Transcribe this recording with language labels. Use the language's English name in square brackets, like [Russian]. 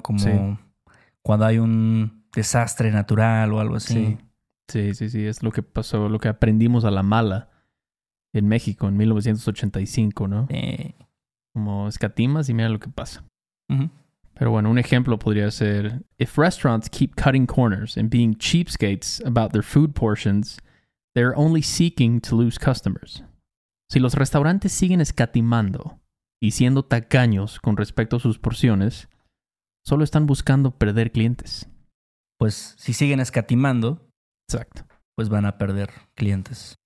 [Spanish] Como cuando hay un desastre natural o algo así. Sí. Es lo que pasó, lo que aprendimos a la mala en México en 1985, ¿no? Sí. Como escatimas y mira lo que pasa. Uh-huh. Pero bueno, un ejemplo podría ser... [English] If restaurants keep cutting corners and being cheapskates about their food portions, they're only seeking to lose customers. [Spanish] Si los restaurantes siguen escatimando y siendo tacaños con respecto a sus porciones, solo están buscando perder clientes. Pues si siguen escatimando, exacto, pues van a perder clientes.